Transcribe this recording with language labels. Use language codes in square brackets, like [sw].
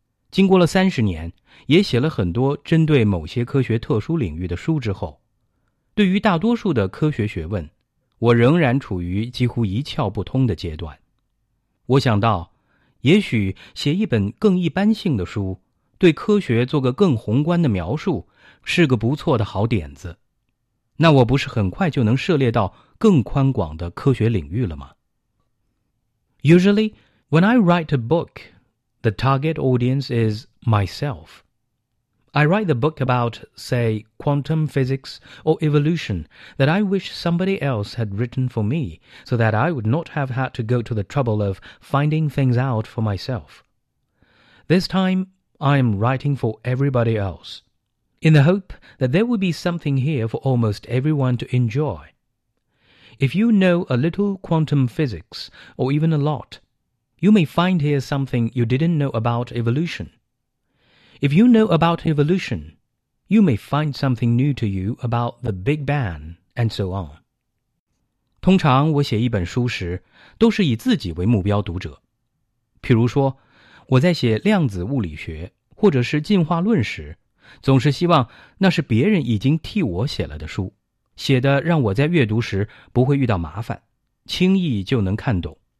[zh] 经过了30年，也写了很多针对某些科学特殊领域的书之后，对于大多数的科学学问，我仍然处于几乎一窍不通的阶段。我想到，也许写一本更一般性的书，对科学做个更宏观的描述，是个不错的好点子。那我不是很快就能涉猎到更宽广的科学领域了吗？ [en] Usually, when I write a book, the target audience is myself. I write the book about, say, quantum physics or evolution that I wish somebody else had written for me so that I would not have had to go to the trouble of finding things out for myself. This time, I am writing for everybody else, in the hope that there will be something here for almost everyone to enjoy. If you know a little quantum physics, or even a lot, you may find here something you didn't know about evolution. If you know about evolution, you may find something new to you about the Big Bang, and so on. [zh] 通常我写一本书时，都是以自己为目标读者。譬如说，我在写量子物理学或者是进化论时，总是希望那是别人已经替我写了的书，写得让我在阅读时不会遇到麻烦，轻易就能看懂。